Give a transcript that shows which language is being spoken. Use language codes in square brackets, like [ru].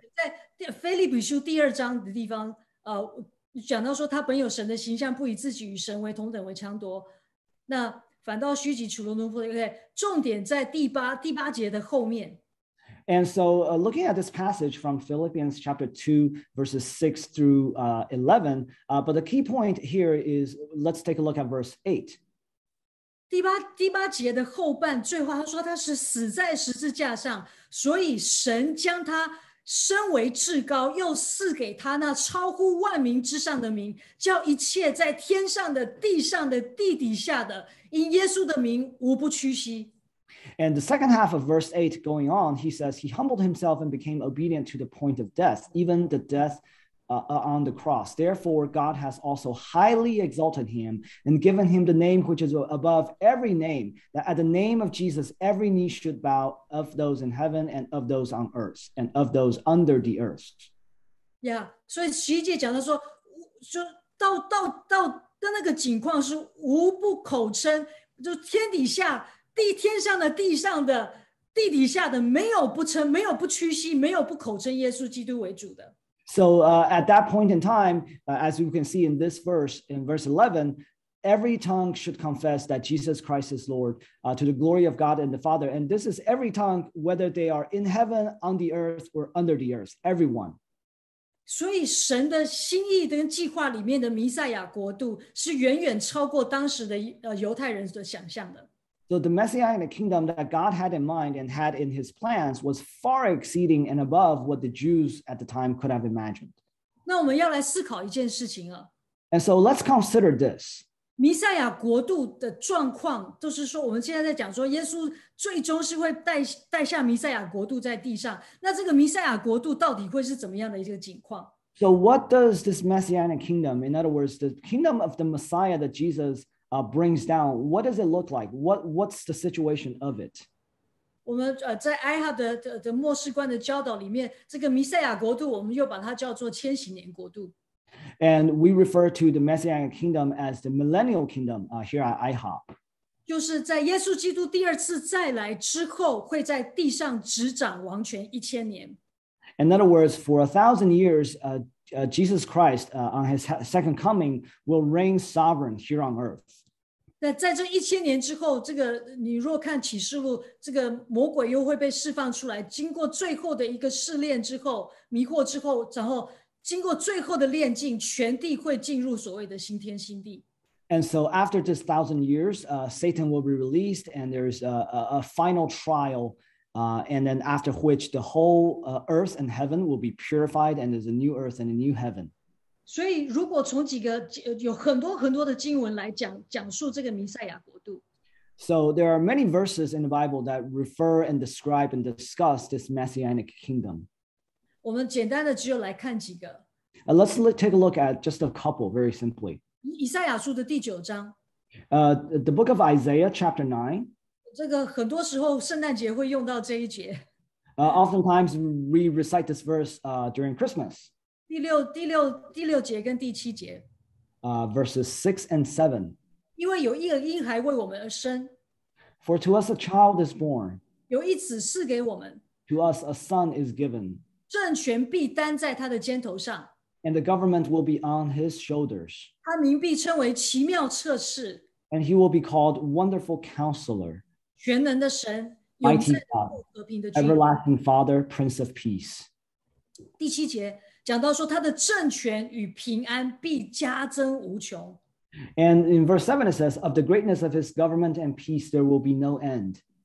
[zh] 在腓立比书第二章的地方讲到说他本有神的形象，不以自己与神为同等为强夺，那反倒虚己，除了奴仆的。 Okay, 重点在第八节的后面。 [en] And so, looking at this passage from Philippians chapter 2, verses 6 through 11, but the key point here is, let's take a look at verse 8. [zh] 第八节的后半，最后他说他是死在十字架上，所以神将他升为至高，又赐给他那超乎万民之上的名，叫一切在天上的、地上的、地底下的，因耶稣的名无不屈膝。 [en] And the second half of verse 8 going on, he says, he humbled himself and became obedient to the point of death, even the death on the cross. Therefore, God has also highly exalted him and given him the name which is above every name, that at the name of Jesus, every knee should bow of those in heaven and of those on earth and of those under the earth. [zh] Yeah, so 11节讲到说, 就到那个情况是无不口称, 就天底下, 地天上的地上的地底下的没有不称没有不屈膝没有不口称耶稣基督为主的。 [en] So at that point in time, as you can see in this verse, in verse 11, every tongue should confess that Jesus Christ is Lord to the glory of God and the Father. And this is every tongue, whether they are in heaven, on the earth, or under the earth, everyone. [zh] 所以神的心意跟计划里面的弥赛亚国度是远远超过当时的犹太人的想象的。 [en] So the Messianic kingdom that God had in mind and had in his plans was far exceeding and above what the Jews at the time could have imagined. [zh] 那我们要来思考一件事情啊。 [en] And so let's consider this. [zh] 弥赛亚国度的状况，就是说我们现在在讲说耶稣最终是会带下弥赛亚国度在地上，那这个弥赛亚国度到底会是怎么样的一个景况？ [en] So what does this Messianic kingdom, in other words, the kingdom of the Messiah that Jesus brings down, what does it look like? What's the situation of it? [zh] 我们在 IHOP 的末世观的教导里面，这个弥赛亚国度，我们又把它叫做千禧年国度。 [en] And we refer to the Messianic kingdom as the millennial kingdom here at IHOP. [zh] 就是在耶稣基督第二次再来之后，会在地上执掌王权一千年。 [en] In other words, for 1,000 years, Jesus Christ, on his second coming, will reign sovereign here on earth. [zh] 那在这一千年之后，这个你若看启示录，这个魔鬼又会被释放出来。经过最后的一个试炼之后，迷惑之后，然后经过最后的炼境，全地会进入所谓的新天新地。 [en] And so after this 1,000 years, Satan will be released, and there's a final trial. And then after which the whole earth and heaven will be purified and there's a new earth and a new heaven. [zh] 所以如果从几个有很多很多的经文来讲述这个弥赛亚国度。 [en] So there are many verses in the Bible that refer and describe and discuss this messianic kingdom. [zh] 我们简单的只有来看几个。 [en] Let's take a look at just a couple very simply. [zh] 以赛亚书的第九章。 [en] The book of Isaiah chapter 9. [zh] 这个很多时候圣诞节会用到这一节。 [en] Oftentimes we recite this verse during Christmas. [zh] 第六节跟第七节。 [en] Verses 6 and 7. [zh] 因为有一个婴孩为我们而生。 [en] For to us a child is born. [zh] 有一子赐给我们。 [en] To us a son is given. [zh] 政权必担在他的肩头上。 [en] And the government will be on his shoulders. [zh] 他名必称为奇妙测试。 [en] And he will be called Wonderful Counselor. [zh] 全能的神，永生的父，和平的君， [en] Everlasting Father, Prince of Peace. [zh] 第七节讲到说，他的政权与平安必加增无穷。 [en] And in verse 7 it says, of the greatness of his government and peace there will be no end.